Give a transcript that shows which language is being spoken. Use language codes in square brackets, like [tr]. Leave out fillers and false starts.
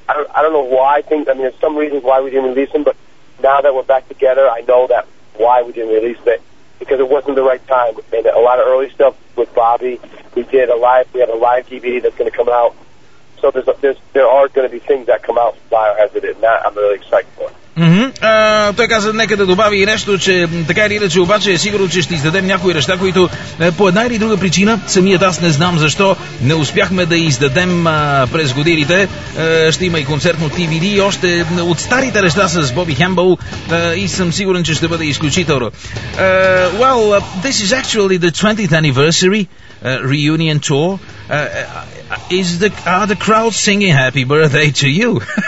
[en] I don't know why things... I mean, there's some reasons why we didn't release them, but now that we're back together, I know that why we didn't release it, because it wasn't the right time. We made a lot of early stuff with Bobby. We did a live... We have a live DVD that's going to come out. So so there are going to be things that come out from Biohazard, and that I'm really excited for. Mm-hmm. [bg] Той каза, нека да добави и нещо, че така или иначе обаче е сигурно, че ще издадем някои неща, които по една или друга причина, самият аз не знам защо, не успяхме да издадем през годините. Ще има и концерт на TVD, и още от старите неща с Боби Хембъл, и съм сигурен, че ще бъде изключително. [en] Well, this is actually the 20th anniversary reunion tour. Are the crowd singing happy birthday to you?